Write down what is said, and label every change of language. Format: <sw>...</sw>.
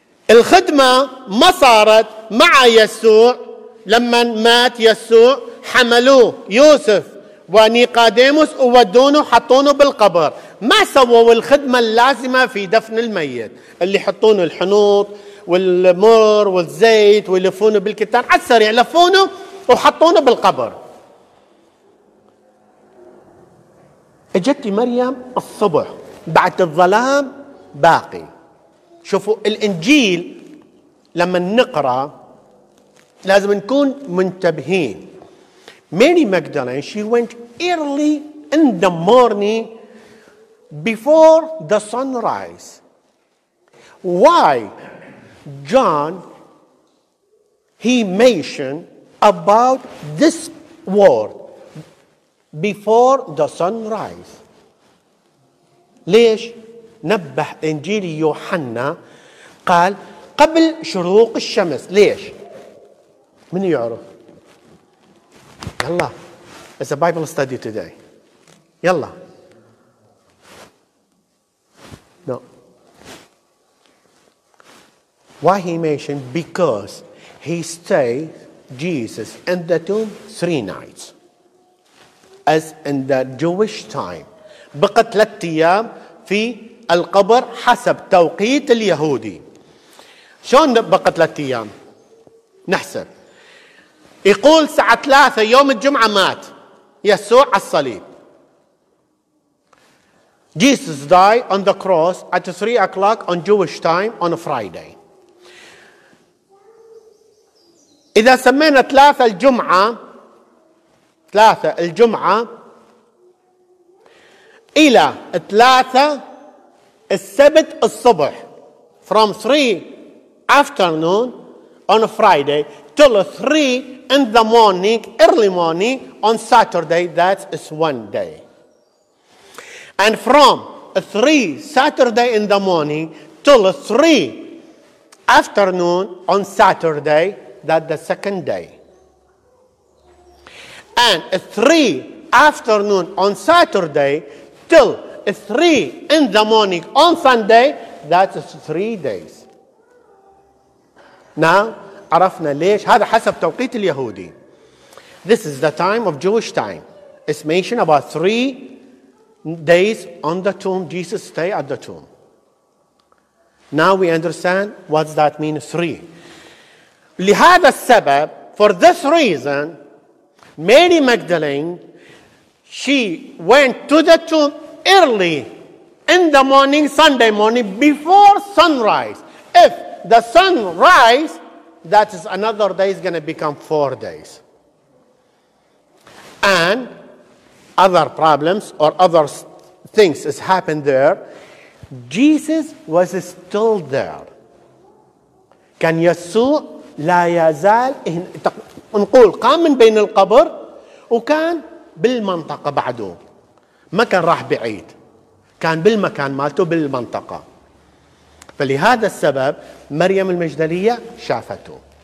<ar>الخدمة ما صارت مع يسوع لما مات يسوع حملوه يوسف ونيقاديموس وودونه حطونه بالقبر ما سووا الخدمة اللازمة في دفن الميت اللي حطونه الحنوط والمر والزيت ويلفونه بالكتان على السريع لفونه وحطونه بالقبر اجت مريم الصبح بعد الظلام باقي شوفوا الإنجيل لما نقرأ لازم نكون منتبهين.</ar> <en>Mary Magdalene, she went early in the morning before the sunrise. Why? John, he mentioned about this word before the sunrise.</en> <ar>ليش نبه إنجيل يوحنا قال قبل شروق الشمس؟ ليش؟ من يعرف؟ يلا.</ar> <en>It's a Bible study today. يلا. No. Why he mentioned? Because he stayed Jesus in the tomb 3 nights. As in the Jewish time.</en> <ar>بقى 3 أيام في القبر حسب توقيت اليهودي. شلون بقى 3 أيام؟ نحسب. يقول الساعة 3 يوم الجمعة مات يسوع على الصليب.</ar> <en>Jesus died on the cross at 3 o'clock on Jewish time on a Friday.</en> <ar>إذا سمينا 3 الجمعة، 3 الجمعة إلى 3 السبت الصبح.</ar> <en>From 3 afternoon on a Friday till 3 in the morning, early morning on Saturday, that is one day. And from 3 Saturday in the morning till 3 afternoon on Saturday, that the second day. And 3 afternoon on Saturday till 3 in the morning on Sunday, that's 3 days.</en> <ar>Now, عرفنا ليش هذا حسب توقيت اليهودي.</ar> <en>This is the time of Jewish time. It's mentioned about 3 days on the tomb. Jesus stay at the tomb. Now we understand what that means, 3.</en> <ar>لهذا السبب,</ar> <en>for this reason, Mary Magdalene, she went to the tomb early in the morning, Sunday morning, before sunrise. If the sun rise, that is another day is going to become 4 days. And other problems or other things has happened there. Jesus was still there.</en> <ar>كان يسوع لا يزال نقول قام من بين القبر وكان بالمنطقة بعده. ما كان راح بعيد. كان بالمكان مالته بالمنطقة. فلهذا السبب مريم المجدلية شافته.</ar>